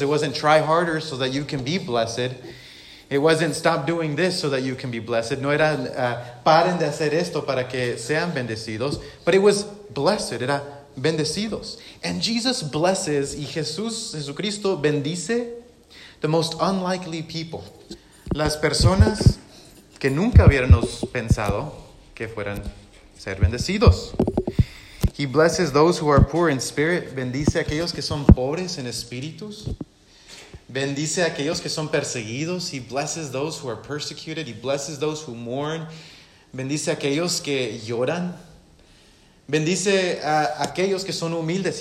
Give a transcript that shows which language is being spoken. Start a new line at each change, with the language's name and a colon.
English: It wasn't try harder so that you can be blessed. It wasn't stop doing this so that you can be blessed.
Spanish: No era paren de hacer esto para que sean bendecidos.
English: But it was blessed,
Spanish: era bendecidos.
English: And Jesus blesses,
Spanish: y Jesucristo bendice
English: the most unlikely people.
Spanish: Las personas que nunca hubiéramos pensado que fueran ser bendecidos.
English: He blesses those who are poor in spirit.
Spanish: Bendice a aquellos que son pobres en espíritus. Bendice a aquellos que son perseguidos.
English: He blesses those who are persecuted. He blesses those who mourn.
Spanish: Bendice a aquellos que lloran. Bendice a aquellos que son humildes.